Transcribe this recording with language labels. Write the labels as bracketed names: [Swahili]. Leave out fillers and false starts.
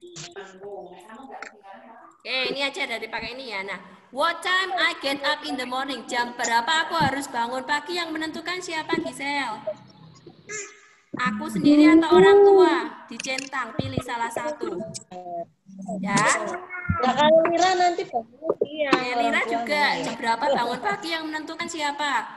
[Indonesian] Oke, okay, ini aja dari pakai ini ya. [English] Nah, what time I get up in the morning? [Indonesian] Jam berapa aku harus bangun pagi? Yang menentukan siapa, Gisel? Aku sendiri atau orang tua? Dicentang, pilih salah satu. Ya? Ya, kalau Lira nanti bangun. Iya. Lira juga, jam berapa bangun pagi? Yang menentukan siapa?